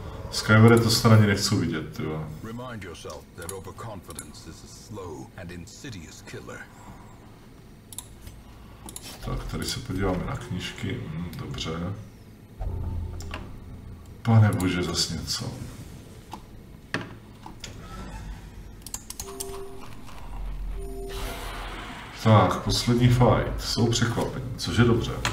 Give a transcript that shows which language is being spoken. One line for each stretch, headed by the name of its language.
Czech: Skyvere to straně nechci vidět, ty jo.
English: Remind yourself that overconfidence is a slow and insidious killer.
Czech: Tak, tady se podíváme na knížky, dobře. Pane bože, zas něco. Tak, poslední fight, jsou překvapení, což je dobře.